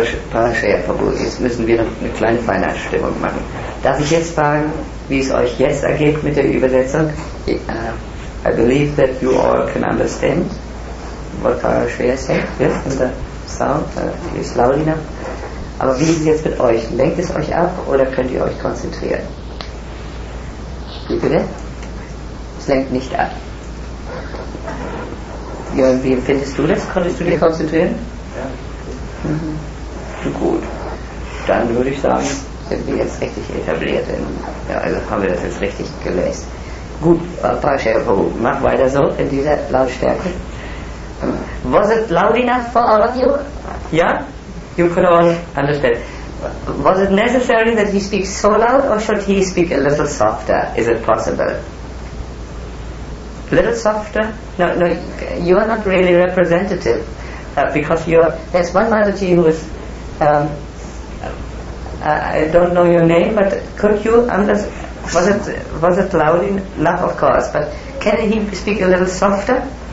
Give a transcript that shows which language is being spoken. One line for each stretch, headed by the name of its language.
German: Parashayapabu, jetzt müssen wir noch eine kleine Feinabstimmung machen. Darf ich jetzt fragen, wie es euch jetzt ergeht mit der Übersetzung?
English: I believe that you all can understand what Parashaya said, yes, and the sound is loud enough.
German: Aber wie ist es jetzt mit euch? Lenkt es euch ab oder könnt ihr euch konzentrieren? Bitte? Es lenkt nicht ab. Jörn, wie empfindest du das? Konntest du dich konzentrieren? Gut, dann würde ich sagen, sind wir jetzt richtig etabliert, in, ja, also haben wir das jetzt richtig gelesen. Gut, Parashayapu, mach weiter so in dieser Lautstärke.
English: Was it loud enough for all of you? Ja, you could all understand. Was it necessary that he speaks so loud or should he speak a little softer? Is it possible? A little softer? No, you are not really representative. Because you are, there's one Mataji who is, I don't know your name, but could you, was it loud enough, of course, but can he speak a little softer?